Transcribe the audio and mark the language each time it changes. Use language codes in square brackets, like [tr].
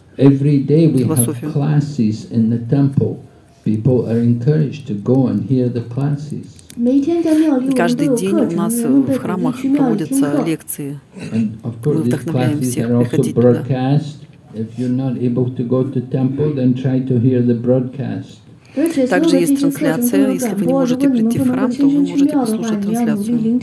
[en] Every day we have classes in the temple. People are encouraged to go and hear the classes. [ru] Каждый день у нас в храмах проводятся лекции. Мы вдохновляем всех приходить туда. [en] If you're not able to go to temple, then try to hear the broadcast. [ru] Также есть трансляция. Если вы не можете прийти в храм, то вы можете послушать трансляцию.